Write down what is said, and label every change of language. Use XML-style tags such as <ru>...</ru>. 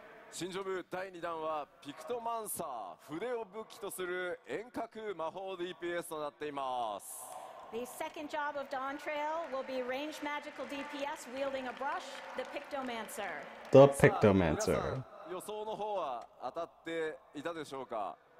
<ja>新ジョブ第2弾はピクトマンサー筆を武器とする遠隔魔法 DPS となっています。</ja> <en>The second job of Dawn Trail will be ranged magical DPS wielding a brush, the Pictomancer. The Pictomancer.</en> <ja>予想の方は当たっていたでしょうか。</ja>